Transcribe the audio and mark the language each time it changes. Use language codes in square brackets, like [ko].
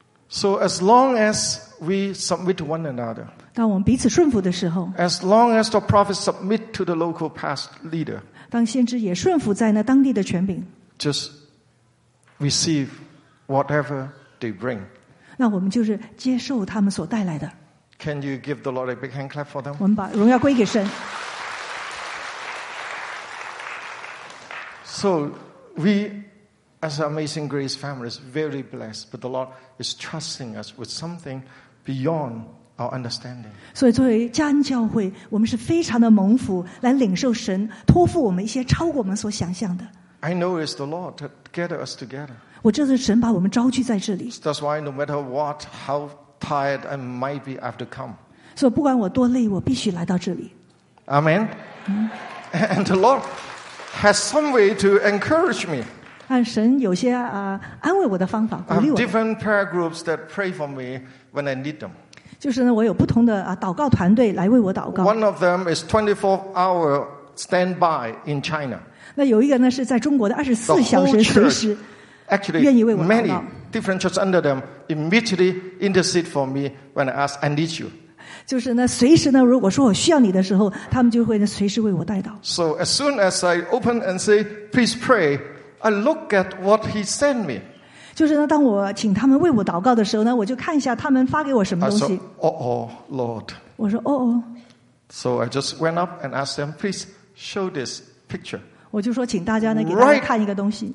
[en] So as long as we submit to one another. [zh] 当我们彼此顺服的时候 [en] ，As long as the prophet submit to the local past leader， [zh] 当先知也顺服在那当地的权柄 [en] ，Just receive whatever they bring， [zh] 那我们就是接受他们所带来的。 [en] Can you give the Lord a big hand clap for them? [zh] 我们把荣耀归给神。 [en] So we, as Amazing Grace family, is very blessed, but the Lord is trusting us with something beyond our understanding. [zh] 所以作为加恩教会，我们是非常的蒙福，来领受神托付我们一些超过我们所想象的。 [en] I know it's the Lord that gathered us together. [zh] 我这次神把我们召聚在这里。 [en] That's why no matter what, how tired I might be, I have to come. 所以不管我多累，我必须来到这里。 Amen. And the Lord has some way to encourage me. [zh] 按神有些安慰我的方法，鼓励我。 [en] Different prayer groups that pray for me when I need them. [zh] 就是呢，我有不同的祷告团队来为我祷告。 [en] One of them is 24-hour standby in China. [zh] 那有一个呢是在中国的24小时随时。 [en] Actually, many different churches under them immediately intercede for me when I ask, I need you. [zh] 就是呢，随时呢，如果说我需要你的时候，他们就会呢随时为我代祷。 [en] So as soon as I open and say, please pray, I look at what he sent me. [zh] 就是呢，当我请他们为我祷告的时候呢，我就看一下他们发给我什么东西。 [en] I said, oh, Lord. [zh] 我说哦哦。 [en] So I just went up and asked them, please show this picture. [zh] 我就说请大家呢给大家看一个东西。